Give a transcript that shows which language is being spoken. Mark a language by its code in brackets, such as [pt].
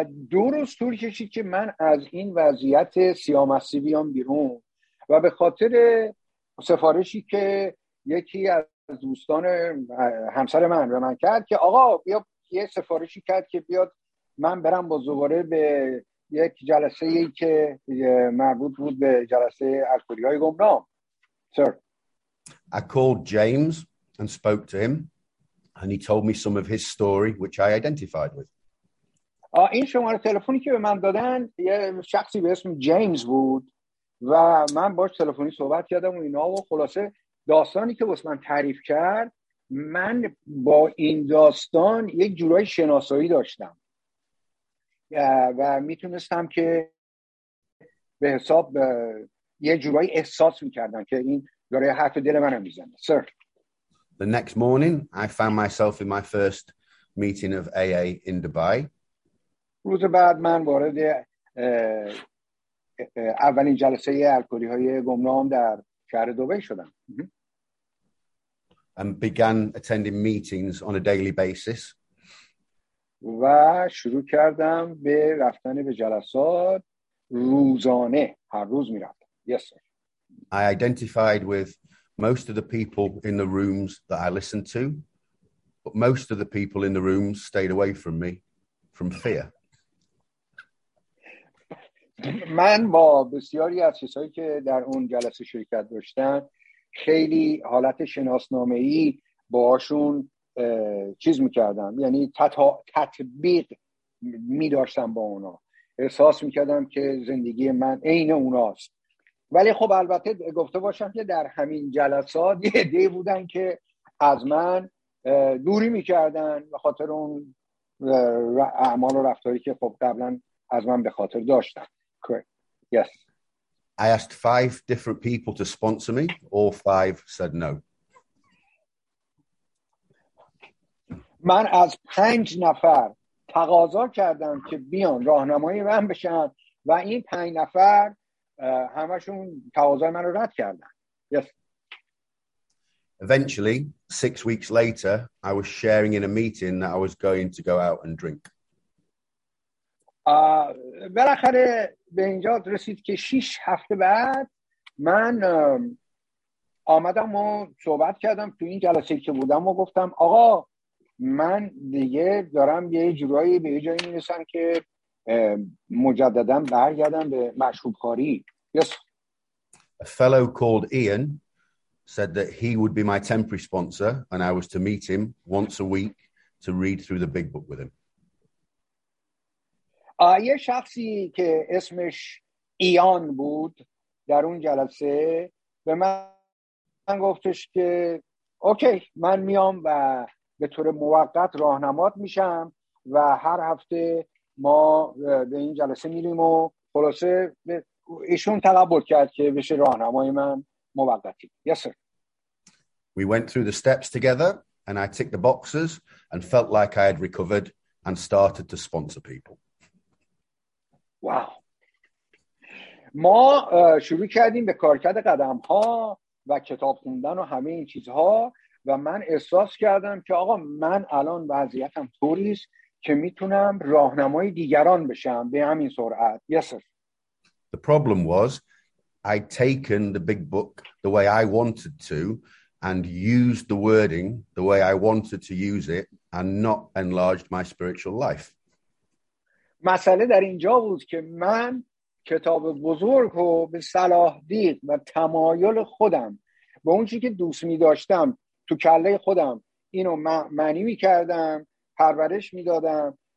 [fa] دو روز طول کشید که من از این وضعیت سیامستی بیام بیرون و به خاطر سفارشی که یکی از دوستان همسر من به من کرد که آقا بیا، یه سفارشی کرد که بیاد من برم با زباره به یک جلسه ای که مربوط بود به جلسه الکلی های گمنام. [en] Sir. I called James and spoke to him and he told me some of his story which I identified with. [fa] این شماره تلفنی که به من دادن یه شخصی به اسم جیمز بود و من باش تلفنی صحبت کردم و اینا، و خلاصه داستانی که واسه من تعریف کرد، من با این داستان یک جورای شناسایی داشتم و میتونستم که به حساب یه جورای احساس میکردم که این داره حرف دل من رو میزنه. [en] Sir. The next morning, I found myself in my first meeting of AA in Dubai. [fa] روز بعد من وارد اولین جلسه الکلی های گمنام در شهر دبی شدم. [en] And began attending meetings on a daily basis. [fa] و شروع کردم به رفتن به جلسات روزانه، هر روز می‌رفتم. [en] Yes, sir. I identified with most of the people in the rooms that I listened to, but most of the people in the rooms stayed away from me from fear. [fa] من با بسیاری از کسایی که در اون جلسه شرکت داشتن خیلی حالت شناسنامه‌ای باهاشون چیز میکردم، یعنی تطبیق میداشتم با اونا، احساس میکردم که زندگی من عین اوناست. ولی خب البته گفته باشم که در همین جلسات یه عده بودن که از من دوری میکردن به خاطر اون اعمال و رفتاری که خب قبلا از من به خاطر داشتن. [en] Yes. I asked 5 different people to sponsor me. All 5 said no. [fa] من از 5 نفر تقاضا کردم که بیان راهنمایی من بشن و این 5 نفر همشون تقاضای من رو رد کردن. [en] Yes. Eventually, 6 weeks later, I was sharing in a meeting that I was going to go out and drink. [fa] بالاخره به اینجا رسید که 6 هفته بعد من آمدم و صحبت کردم تو این جلسه که بودم و گفتم آقا من دیگه دارم یه جورایی به یه جایی میرسم که مجددا برگردم به مشروبخواری. [en] Yes. A fellow called Ian said that he would be my temporary sponsor and I was to meet him once a week to read through the big book with him. [fa] یه شخصی که اسمش ایان بود در اون جلسه به من گفتش که اوکی، من میام و به طور موقت راهنمات میشم و هر هفته ما به این جلسه میریم و خلاصه ایشون تقبل کرد که بشه راهنمای من موقتی. [en] Yes, sir. We went through the steps together and I ticked the boxes and felt like I had recovered and started to sponsor people. Wow. [fa] ما شروع کردیم به کارکرد قدم ها و کتاب خوندن و همه این چیزها و من احساس کردم که آقا من الان وضعیتم طوریست که میتونم راهنمای دیگران بشم به همین سرعت. [en] Yes, sir. The problem was I'd taken the big book the way I wanted to and used the wording the way I wanted to use it and not enlarged my spiritual life. [fa] مسئله در اینجا بود که من کتاب بزرگ رو به صلاح دید و تمایل خودم به اون چیزی که دوست می داشتم تو کله خودم اینو معنی می کردم، پرورش می دادم